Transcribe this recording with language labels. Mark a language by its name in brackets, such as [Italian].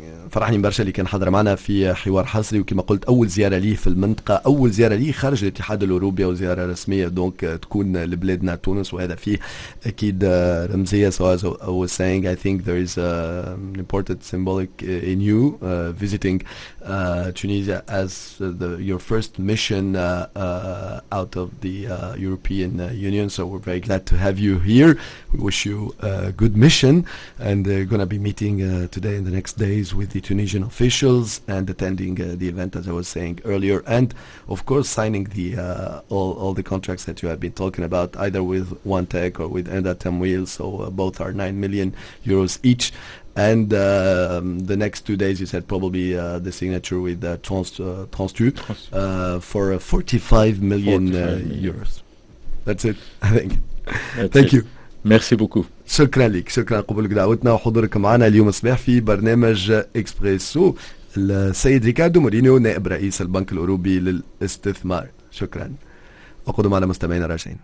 [Arabic] فرحني برشا اللي كان حضر معنا في حوار حصري وكما قلت أول زيارة لي في المنطقة أول زيارة لي خارج الاتحاد الأوروبي وزيارة رسمية دونك تكون لبلادنا تونس وهذا فيه أكيد رمزية. [English] So as I was saying I think there is an important symbolic in you visiting Tunisia as your first mission out of the European Union. So we're very glad to have you here. We wish you a good mission and we're going to be meeting today in the next days with the Tunisian officials and attending the event as I was saying earlier, and of course signing the all the contracts that you have been talking about either with OneTech or with Enda Tamwil. So both are 9 million euros each, and the next 2 days you said probably the signature with Trans2 for 45 million euros. That's it, I think. Thank you. [French] Merci beaucoup. [Arabic] شكرا لك, شكرا قبولك دعوتنا وحضورك معنا اليوم الصباح في برنامج إكسبريسو. السيد ريكاردو مورينيو نائب رئيس البنك الأوروبي للاستثمار, شكرا. أقعدوا معنا مستمعينا راجعين.